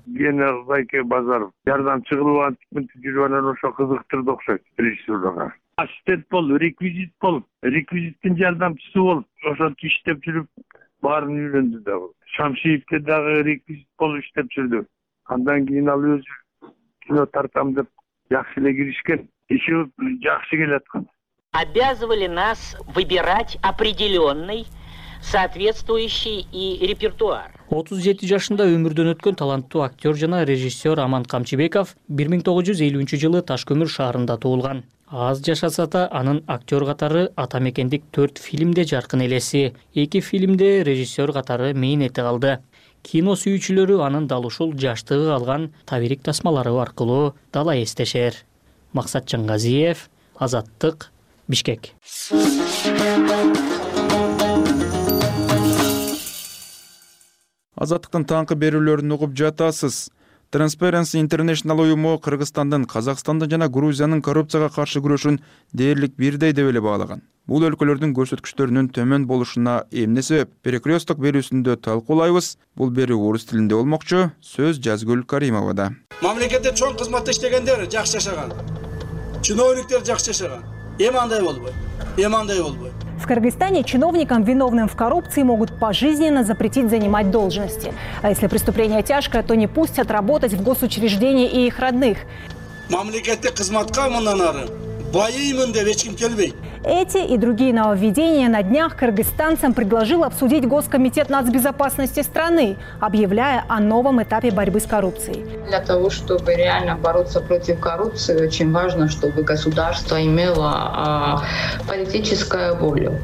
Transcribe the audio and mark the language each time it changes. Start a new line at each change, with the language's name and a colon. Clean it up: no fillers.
Kyrgyz: Гена Зайке Базаров жардамчы кылып антип мынтип жүрүп анан ошо кызыктырды окшойт режиссерлорго. Ассистент болуп, реквизит болуп, реквизиттин жардамчысы болуп ошентип иштеп жүрүп баарын үйрөндү да бул. Шамшиевке дагы реквизит болуп иштеп жүрдү. Андан кийин ал өзү кино тартам деп жакшы эле киришкен.
Russian: Еще
Kyrgyz: жакшы келаткан.
Russian: Обязывали нас выбирать определенный соответствующий и репертуар.
Kyrgyz: 37 жашында өмүрдөн өткөн таланттуу актер жана режиссер Аман Камчыбеков 1950-жылы Ташкөмүр шаарында туулган. Аз жашаса да анын актер катары атамекендик 4 фильмде жаркын элеси, 2 фильмде режиссер катары мээнети калды. кино сүйүүчүлөрү анын дал ушул жаштыгы алган табирик тасмалары аркылуу дала эстешер. Максат Жангазиев, Азаттык, Бишкек. Азаттыктын таңкы берүүлөрүн угуп жатасыз. Transparency International уюму Кыргызстандын, Казакстандын жана Грузиянын коррупцияга каршы күрөшүн дээрлик бирдей деп эле баалаган. Бул өлкөлөрдүн көрсөткүчтөрүнүн төмөн болушуна эмне себеп? Перекрёсток берүүсүндө талкуулайбыз. Бул берүү орус тилинде болмокчу. Сөз Жазгүл Каримовада. Мамлекетте чоң кызматта иштегендер жакшы жашаган. Чиновниктер жакшы жашаган. Эмандай болбой.
Russian: В Кыргызстане чиновникам, виновным в коррупции, могут пожизненно запретить занимать должности. А если преступление тяжкое, то не пустят работать в госучреждении и их родных.
Kyrgyz: Мамлекетте кызматка мындан ары байыймын деп эч ким келбей.
Russian: Эти и другие нововведения на днях кыргызстанцам предложил обсудить Госкомитет нацбезопасности страны, объявляя о новом этапе борьбы с коррупцией. Для того, чтобы реально бороться против коррупции, очень важно, чтобы государство имело политическую волю.